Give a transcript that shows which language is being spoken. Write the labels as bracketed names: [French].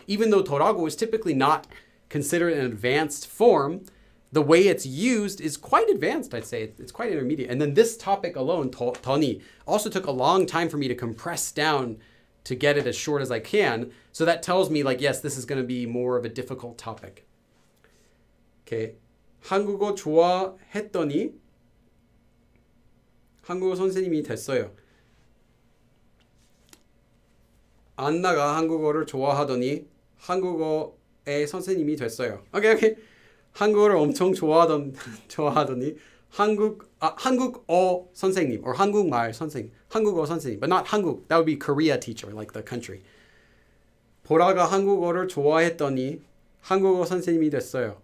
[English] Even though 토라고 is typically not considered an advanced form, the way it's used is quite advanced, I'd say. It's quite intermediate. And then this topic alone, 토니, also took a long time for me to compress down to get it as short as I can. So that tells me, like, yes, this is going to be more of a difficult topic. Okay. [Korean] 한국어 좋아했더니 한국어 선생님이 됐어요. 안나가 한국어를 좋아하더니 한국어의 선생님이 됐어요. [English] Okay, okay. [Korean] 한국어를 엄청 좋아하더니 한국어 선생님 [English] or [Korean] 한국말 선생님. 한국어 선생님, [English] but not [Korean] 한국. [English] That would be Korea teacher, like the country. [Korean] 보라가 한국어를 좋아했더니 한국어 선생님이 됐어요.